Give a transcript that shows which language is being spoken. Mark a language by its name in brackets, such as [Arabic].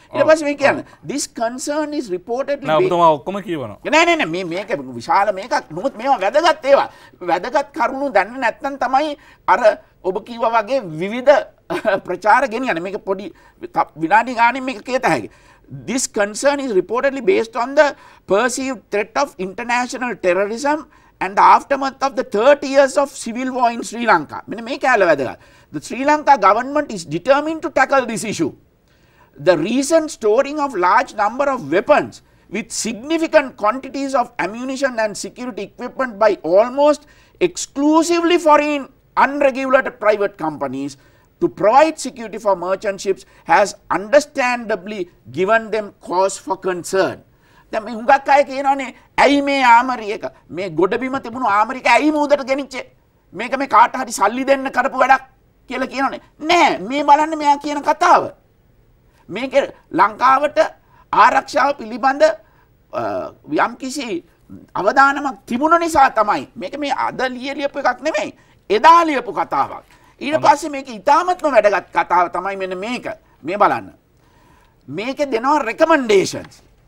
[Sinhala] ඊට පස්සේ මේ කියන්නේ [English] this concern is reportedly [Sinhala] නෑ ඔබතුමා ඔක්කොම කියවනවා. නෑ මේක විශාල මේකක් නමුත් මේවා වැදගත් ඒවා. වැදගත් කරුණු දන්නේ නැත්නම් තමයි අර ඔබ කිව්වා වගේ විවිධ ප්‍රචාර ගෙනියන්නේ. මේක පොඩි විනාඩි ගානේ මේක කියත හැකි. [English] this concern is reportedly based on the perceived threat of international terrorism and the aftermath of the 30 years of civil war in Sri Lanka. The Sri Lanka government is determined to tackle this issue. The recent storing of large number of weapons with significant quantities of ammunition and security equipment by almost exclusively foreign unregulated private companies to provide security for merchant ships has understandably given them cause for concern. [Sinhala] දැන් මේ හුඟක් අය කියනවානේ ඇයි මේ ආමරියක මේ ගොඩබිම තිබුණු ආමරික ඇයි මූදට ගෙනිච්චේ මේක මේ කාට හරි සල්ලි දෙන්න කරපු වැඩක් කියලා කියනවානේ නෑ මේ බලන්න මෙයා කියන කතාව මේක ලංකාවට ආරක්ෂාව පිළිබඳ යම්කිසි අවධානමක් තිබුණ නිසා තමයි මේක මේ අද ලියලියපු එකක් නෙමෙයි එදා ලියපු කතාවක් ඊට පස්සේ මේක ඉතාමත්ම වැදගත් කතාව තමයි මෙන්න මේක මේ බලන්න මේක දෙනවා රෙකමෙන්ඩේෂන්ස්